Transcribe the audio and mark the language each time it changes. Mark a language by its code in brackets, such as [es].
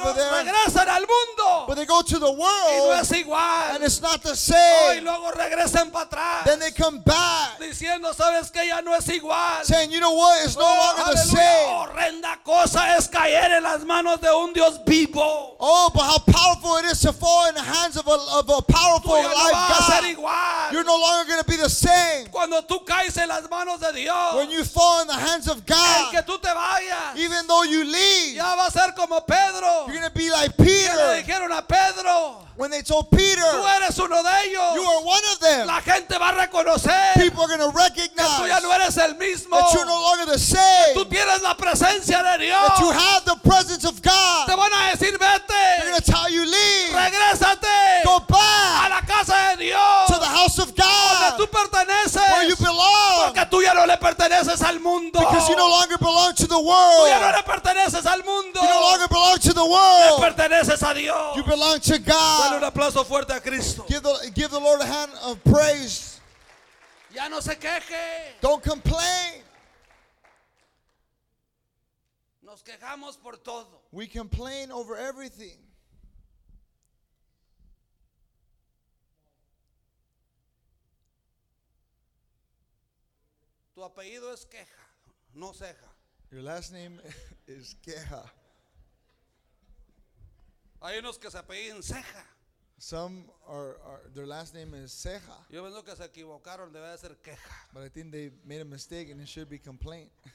[en] over there. [es] Regresan al mundo. [en] But they go to the world. [es] Y no es igual. [en] And it's not the same. [es] Y luego regresan para atrás. [en] Then they come back. [es] Diciendo, sabes que ya no es igual. [en] Saying, you know what? It's no longer [es] Aleluya. [en] The same. [es] Horrenda cosa es caer en las manos de un Dios vivo. [en] Oh, but how powerful it is to fall in the hands of a powerful life. God, you're no longer going to be the same. [es] Cuando tú caes en las manos de Dios, [en] when you fall in the hands of God, [es] que tú te vayas, [en] even though you leave, [es] ya va a ser como Pedro, [en] you're going to be like Peter. [es] Que le dijeron a Pedro, [en] when they told Peter, [es] tú eres uno de ellos, [en] you are one of them. [es] La gente va a reconocer, [en] people are going to recognize [es] que tú ya no eres el mismo, [en] that you're no longer the same. [es] Que tú tienes la presencia de Dios, [en] that you have the presence of God. [es] Te van a decir, vete. [en] They're going to tell you, leave. [es] Regrésate. [en] Go back. [es] A la casa de Dios. [en] To the house of God, where you belong, [es] porque tú ya no le perteneces al mundo. [en] Because you no longer belong to the world, [es] tú ya no le perteneces al mundo. [en] You no longer belong to the world, [es] le perteneces a Dios. [en] You belong to God. [es] Dale un aplauso fuerte a Cristo. [en] Give the Lord a hand of praise. [es] Ya no se queje. [en] Don't complain. [es] Nos quejamos por todo. [en] We complain over everything. [es] Tu apellido es Queja, no Ceja. [en] Your last name is Queja. [es] Hay unos que se apellidan Ceja. [en] Some are their last name is Ceja. [es] Yo pienso que se equivocaron, debe de ser Queja. [en] But I think they made a mistake and it should be complaint.